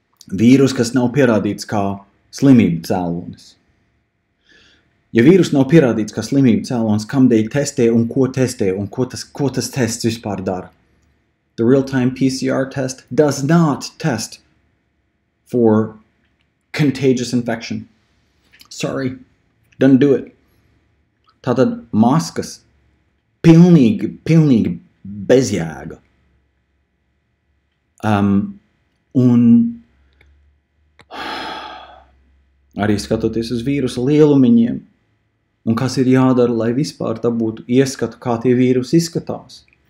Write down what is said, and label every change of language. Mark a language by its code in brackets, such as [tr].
[lv] Vīrus, kas nav pierādīts kā slimība cēlonis. Ja vīrus nav pierādīts kā slimība cēlonis, kamdēļ testē un ko testē un ko tas tests vispār dara? [en] The real-time PCR test does not test for contagious infection. Sorry, don't do it. [lv] Tātad maskas pilnīgi, pilnīgi bezjēga. Un arī skatoties uz vīrusa lielumiņiem, un kas ir jādara, lai vispār tā būtu ieskatu, kā tie vīrusi izskatās.